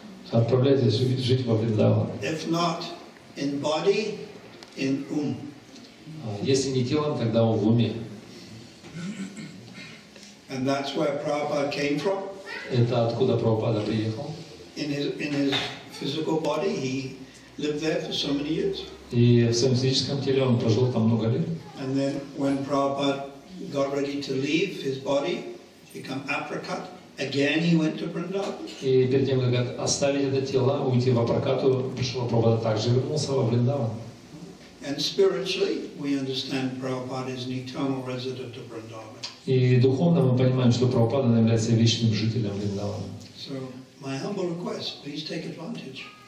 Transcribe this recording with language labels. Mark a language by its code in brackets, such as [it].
[ru] Отправляйтесь жить во Вриндаван. [en] If not, in body, in [ru] ум. Если не телом, тогда в уме. [en] And that's where Prabhupada came from. [ru] Это откуда Прабхупада приехал? [en] In his physical body, he lived there for so many years. [ru] И в своем физическом теле он прожил там много лет. [en] And then when Prabhupada got ready to leave his body, become apricot, again he went to Vrindavan. [ru] И перед тем, как оставить это тело, уйти в апракату, пришел Прабхупада, также вернулся во Вриндаван. [en] And spiritually, we understand Prabhupada is an eternal resident of Vrindavan. [ru] И духовно мы понимаем, что Прабхупада является вечным жителем Вриндавана. [en] So, my humble request, please take advantage.